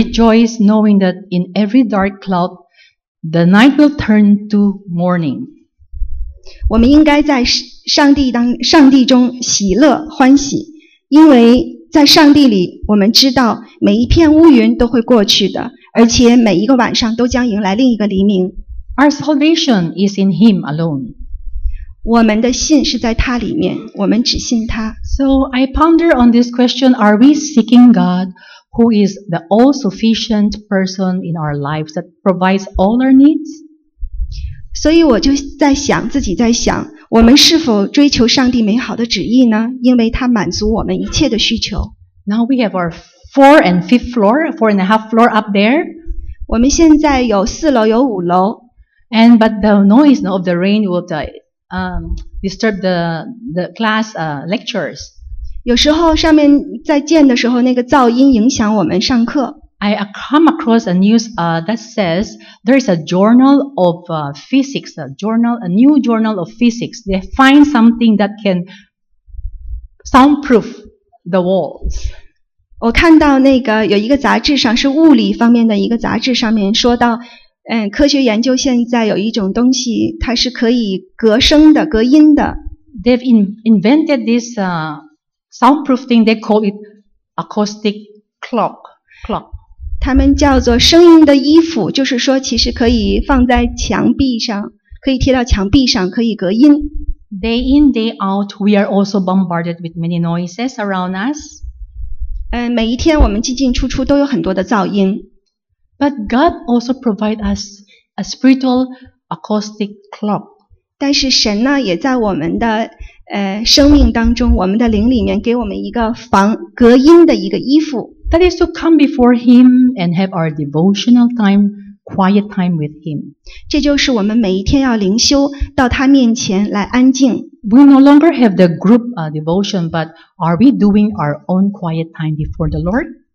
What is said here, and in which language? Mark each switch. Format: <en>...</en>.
<en>We rejoice knowing that in every dark cloud, the night will turn to morning.</en> <zh>我们应该在上帝中喜乐欢喜，因为在上帝里，我们知道每一片乌云都会过去的，而且每一个晚上都将迎来另一个黎明。</zh> <en>Our salvation is in Him alone.</en> <zh>我们的信是在他里面，我们只信他。</zh> <en>So I ponder on this question, are we seeking God who is the all-sufficient person in our lives that provides all our needs?</en> <zh>所以我就在想，自己在想，我们是否追求上帝美好的旨意呢？因为他满足我们一切的需求。</zh> <en>Now we have our 4 and 5th floor, 4 and a half floor up there.</en> <zh>我们现在有四楼有五楼。</zh> <en>And but the noise of the rain would disturb the class lectures.</en> <zh>有时候上面在建的时候那个噪音影响我们上课。</zh> <en>I come across a news that says there is a journal of physics, a new journal of physics. They find something that can soundproof the walls.</en> <zh>我看到那个有一个杂志上是物理方面的一个杂志上面说到，嗯，科学研究现在有一种东西，它是可以隔声的、隔音的。</zh> <en>They've invented this soundproof thing. They call it acoustic clock. Clock.</en> <zh>他们叫做声音的衣服，就是说其实可以放在墙壁上，可以贴到墙壁上，可以隔音。</zh> <en>Day in, day out, we are also bombarded with many noises around us.</en> <zh>每一天我们进进出出都有很多的噪音。</zh> <en>But God also provides us a spiritual acoustic clock.</en> <zh>但是神呢，也在我们的生命当中，我们的灵里面给我们一个防隔音的一个衣服。</zh> <en>That is to come before Him and have our devotional time. Quiet time with Him.</en> <zh>这就是我们每一天要灵修到他面前来安静。</zh> <en>We no longer have the group devotion, but are we doing our own quiet time before the Lord?</en>